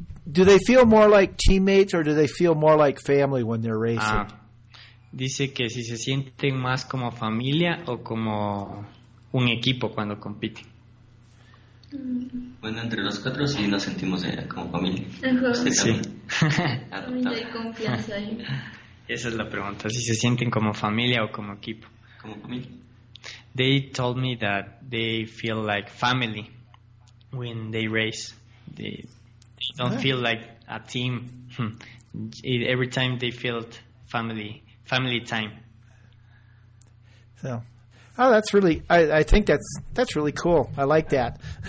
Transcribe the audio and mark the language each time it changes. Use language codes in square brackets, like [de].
[en] Do they feel more like teammates or do they feel more like family when they're racing? [es] Dice que si se sienten más como familia o como un equipo cuando compiten. Bueno, entre los cuatro sí nos sentimos como familia. Sí. Familia y confianza ahí. Esa es la pregunta, si se sienten como familia o como equipo. Como familia. [en] They told me that they feel like family when they race. Don't feel like a team. Every time they felt family time. So, I think that's really cool. I like that.